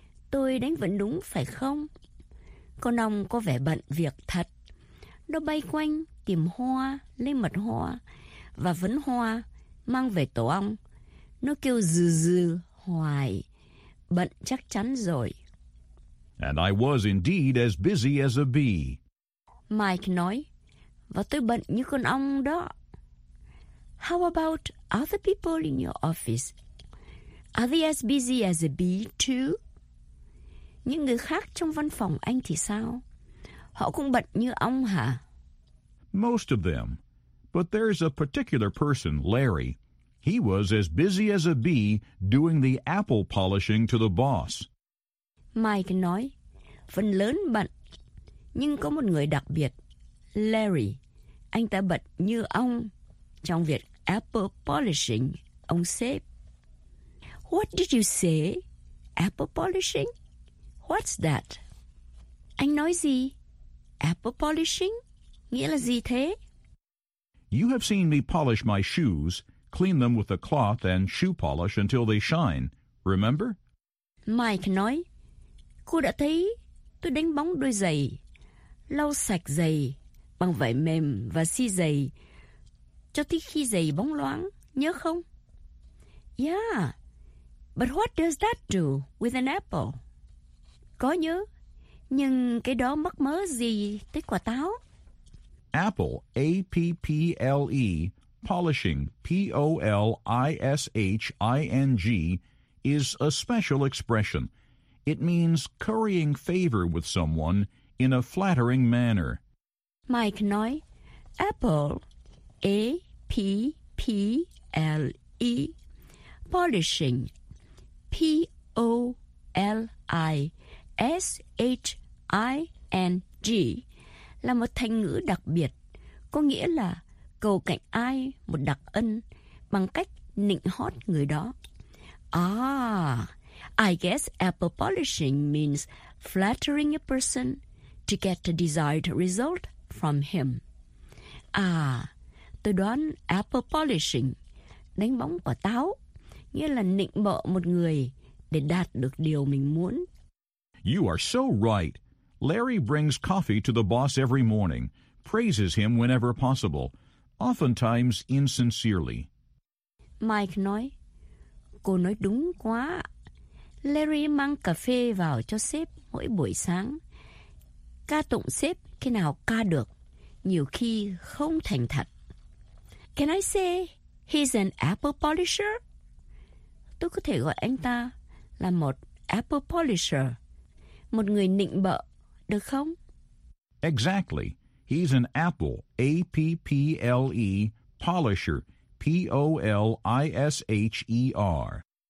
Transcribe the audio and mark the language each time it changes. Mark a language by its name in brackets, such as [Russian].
[Vietnamese] Tôi đánh vẫn đúng phải không? Con ong có vẻ bận việc thật. Nó bay quanh, tìm hoa, lấy mật hoa, và vấn hoa, mang về tổ ong. Nó kêu dừ dừ, hoài, bận chắc chắn rồi. [English] And I was indeed as busy as a bee. [Vietnamese] Mike nói, và tôi bận như con ong đó. [English] How about other people in your office? Are they as busy as a bee too? [Vietnamese] Những người khác trong văn phòng anh thì sao? Họ cũng bận như ong hả? [English] Most of them. But there's a particular person, Larry. He was as busy as a bee doing the apple polishing to the boss. [Vietnamese] Mike nói, phần lớn bận, nhưng có một người đặc biệt, Larry. Anh ta bận như ong trong việc [English] apple polishing, [Vietnamese] ông sếp. [English] What did you say? Apple polishing? What's that? [Vietnamese] Anh nói gì? Apple polishing? Nghĩa là gì thế? [English] You have seen me polish my shoes, clean them with a cloth and shoe polish until they shine. Remember? [Vietnamese] Mike nói, cô đã thấy tôi đánh bóng đôi giày, lau sạch giày bằng vải mềm và xi giày cho tới khi giày bóng loáng, nhớ không? [English] Yeah, but what does that do with an apple? [Vietnamese] Có nhớ, nhưng cái đó mắc mớ gì tới quả táo? [English] Apple, A-P-P-L-E, polishing, P-O-L-I-S-H-I-N-G, is a special expression. It means currying favor with someone in a flattering manner. [Vietnamese] Mike nói, [English] Apple, A-P-P-L-E, polishing, P-O-L-I-S-H-I-N-G, [Vietnamese] là một thành ngữ đặc biệt, có nghĩa là cầu cạnh ai một đặc ân bằng cách nịnh hót người đó. [English] I guess apple polishing means flattering a person to get the desired result from him. [Vietnamese] Tôi đoán [English] apple polishing, [Vietnamese] đánh bóng quả táo, nghĩa là nịnh bợ một người để đạt được điều mình muốn. [English] You are so right. Larry brings coffee to the boss every morning, praises him whenever possible, oftentimes insincerely. [Vietnamese] Mike nói, cô nói đúng quá. Larry mang cà phê vào cho sếp mỗi buổi sáng. Ca tụng sếp khi nào ca được, nhiều khi không thành thật. [English] Can I say he's an apple polisher? [Vietnamese] Tôi có thể gọi anh ta là một [English] apple polisher, [Vietnamese] một người nịnh bợ, được không? [English] Exactly. He's an apple, A-P-P-L-E, polisher, P-O-L-I-S-H-E-R.